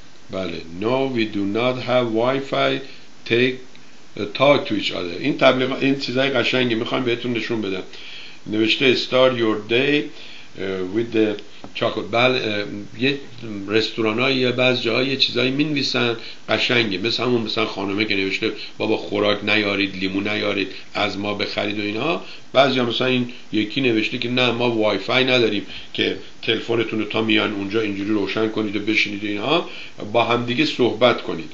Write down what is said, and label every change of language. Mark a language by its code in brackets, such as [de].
[fa] بله، [en] No we do not have Wi-Fi, talk to each other. [fa] این تبلیغ، این چیزای قشنگی میخوام بهتون نشون بدم. نوشته [en] start your day with the chocolate. [fa] بله، یه رستورانای یا بعضی جاها یه چیزایی مینویسن قشنگه، مثل همون مثلا خانومه که نوشته بابا خوراک نیارید، لیمو نیارید، از ما بخرید و اینا. بعضی هم مثلا این یکی نوشته که نه ما وایفای نداریم که تلفنتون رو تا میان اونجا اینجوری روشن کنید و بشینید اینها با هم دیگه صحبت کنید.